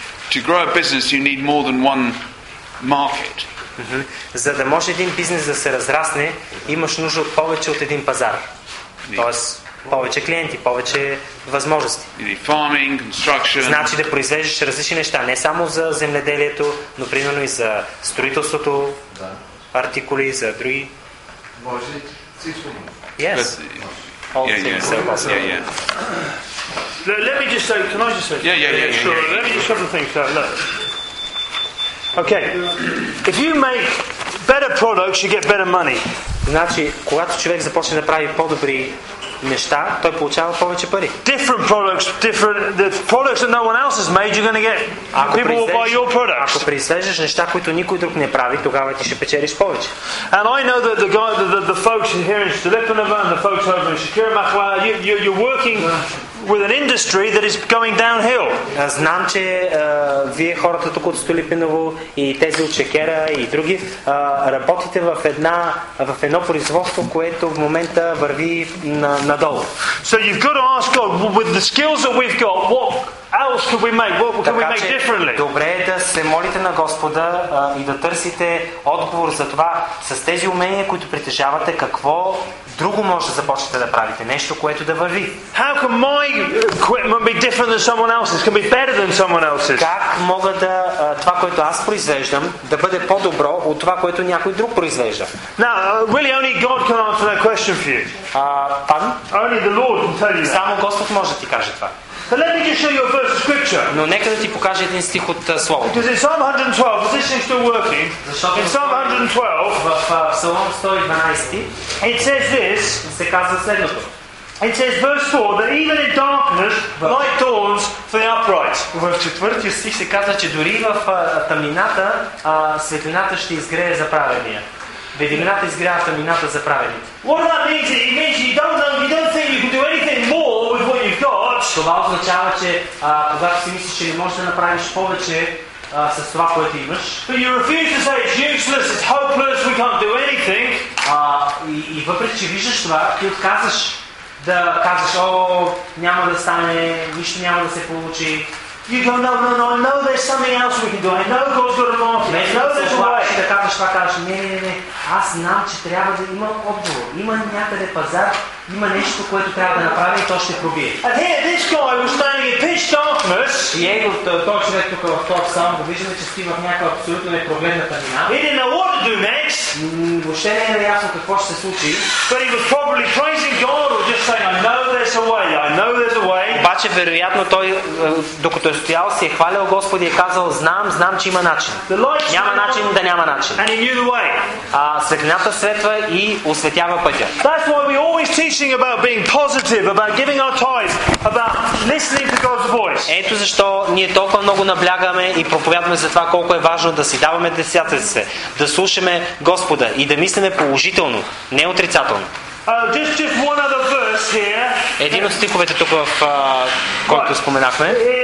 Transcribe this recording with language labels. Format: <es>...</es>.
<en>To grow a business, you need more than one market.</en> <bg>За да може един бизнес да се разрасне, имаш нужда от повече от един пазар. Тоест, повече клиенти, повече възможности.</bg> <en>Farming, construction.</en> <bg>Значи да произвеждаш различни неща, не само за земеделието, но примерно и за строителството, артикули, за други. Може всичко.</bg> <en>Yes. All things are possible. Let me just say, can I just say? Yeah, sure. Let me just couple of things. Look. Okay. If you make better products, you get better money.</en> <bg>Значи, когато човек започне да прави по-добри неща, той получава повече пари.</bg> <en>Different products, the products that no one else has made, you're going to get. People will buy your products.</en> <bg>Ако произвеждаш неща, които никой друг не прави, тогава ти ще печелиш повече.</bg> <en>And I know that the folks here in Stolypinava and the folks over in Shakira Makhla, you're working with an industry that is going downhill.</en> <bg>Знам, че вие хората тук от Столипиново и тези от Чекера и други работите в едно производство, което в момента върви надолу.</bg> <en>So you've got to ask God with the skills that we've got, what else could we make? What can we make differently?</en> <bg>Добре е да се молите на Господа и да търсите отговор за това с тези умения, които притежавате, какво друго може да започнете да правите, нещо, което да върви.</bg> <en>How can my equipment be different than someone else's? Can be better than someone else's?</en> <bg>Как мога да това, което аз произвеждам, да бъде по-добро от това, което някой друг произвежда?</bg> <en>Now, really only God can answer that question for you. Only the Lord can tell you that.</en> <bg>Само Господ може да ти каже това.</bg> <en>But let me just show you a verse of scripture.</en> <bg>Но нека да ти покажа един стих от Словото.</bg> <en>Because in Psalm 112, is this thing still working? In Psalm 112, it says this.</en> <bg>Се казва следното.</bg> <en>It says verse 4 that even in darkness light dawns for the upright.</en> <bg>В четвъртия стих се казва, че дори в тъмнината светлината ще изгрее за праведния. Ведимината изгрява тъмнината за праведните.</bg> <en>What does that mean? It means you don't think you can do anything more with what you've got.</en> <bg>Това означава, че когато си мислиш, че не можеш да направиш повече с това, което имаш.</bg> <en>But you refuse to say it's useless, it's hopeless, we can't do anything.</en> <bg>И въпреки, че виждаш това, ти отказваш да казваш, о, няма да стане, нищо няма да се получи.</bg> <en>You go, no, I know there's something else we can do. I know God's got a market. I know there's a way.</en> <bg>Да казваш това, казваш, не, аз знам, че трябва да има отговор. Има някъде пазар, има нещо, което трябва да направи и то ще пробие.</bg> <en>And here, this guy was standing in pitch darkness.</en> <bg>И ей, този човек тук в този сам, го виждаме, че стива в някаква абсолютно непрогледна тъмнина.</bg> <en>He didn't know what to do next.</en> <bg>Въобще не е ясно какво ще се случи.</bg> <en>But he was probably praising God or just saying, I know there's a way.</en> <bg>Обаче, вероятно, той, докато е стоял, си е хвалил Господ и е казал, знам, че има начин. Няма начин да няма начин.</bg> <en>And he knew the way.</en> <bg>Светлината светва и осветява пътя.</bg> <en>That's why we're always teaching about being positive, about giving our tithes, about listening to God's voice.</en> <bg>Ето защо ние толкова много наблягаме и проповядваме за това колко е важно да си даваме десятъците, да слушаме Господа и да мислиме положително, не отрицателно.</bg> <en>Just one other verse here.</en> <bg>Един от стиховете тук, който споменахме.</bg>